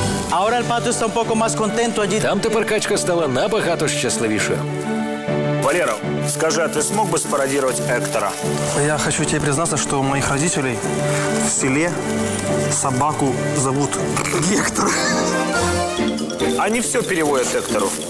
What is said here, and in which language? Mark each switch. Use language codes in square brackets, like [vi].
[es] Ahora el pato está un poco más contento allí. [uk] Там тепер Качка стала набагато щасливішою. [ru] Валера, скажи, а ты смог бы спародировать Эктора? Я хочу тебе признаться, что у моих родителей в селе собаку зовут Гектор. Они все переводят Эктору.